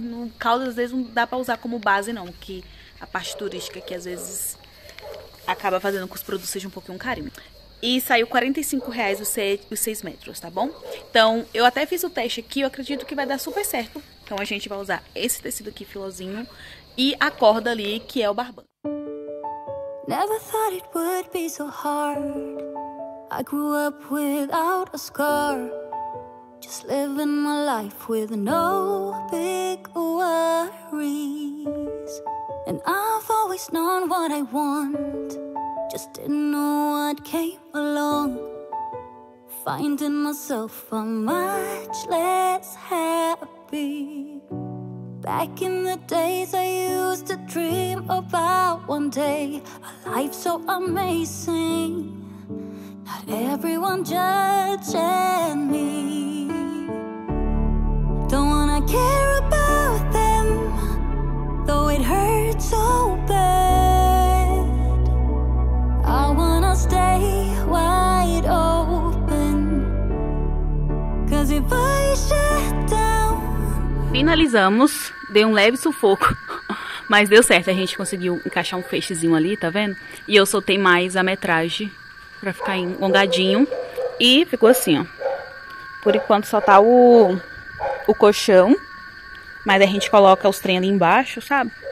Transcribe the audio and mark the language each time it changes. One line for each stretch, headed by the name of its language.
Portuguese: No Caldas, às vezes, não dá pra usar como base, não. Que a parte turística, que às vezes, acaba fazendo com que os produtos sejam um pouquinho carinho. E saiu 45 reais os 6 metros, tá bom? Então, eu até fiz o teste aqui, eu acredito que vai dar super certo. Então, a gente vai usar esse tecido aqui, filózinho, e a corda ali, que é o barbante.
English: Never thought it would be so hard. I grew up without a scar, just living my life with no big worries. And I've always known what I want, just didn't know what came along. Finding myself a much less happy. Back in the days I used to dream about one day, a life so amazing, not everyone judging me. Don't wanna care about them, though it hurts so bad. I wanna stay wide open, cause if I shut down.
Portuguese: Finalizamos. Deu um leve sufoco, mas deu certo, a gente conseguiu encaixar um feixezinho ali, tá vendo? E eu soltei mais a metragem pra ficar engongadinho e ficou assim, ó. Por enquanto só tá o colchão, mas a gente coloca os trem ali embaixo, sabe?